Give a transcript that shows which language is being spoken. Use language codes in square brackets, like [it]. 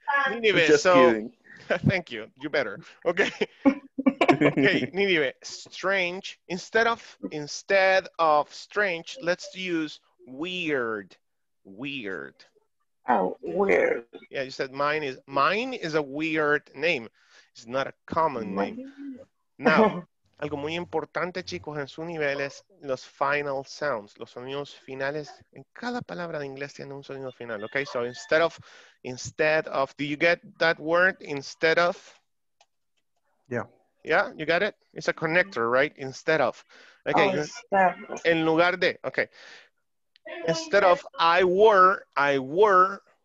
[en] Ninive, just so, kidding. Thank you. You better. Okay. Okay, Ninive, strange. Instead of strange, let's use weird. Weird. Oh, weird. Yeah, you said mine is a weird name. It's not a common name. [es] Now, algo muy importante, chicos, en su nivel es los final sounds, los sonidos finales. En cada palabra de inglés tiene un sonido final. [en] Okay, so instead of, do you get that word? Instead of? Yeah. Yeah, you got it? It's a connector, right? Instead of. Okay. Oh, instead. [es] En lugar de. [en] Okay. Instead of I were.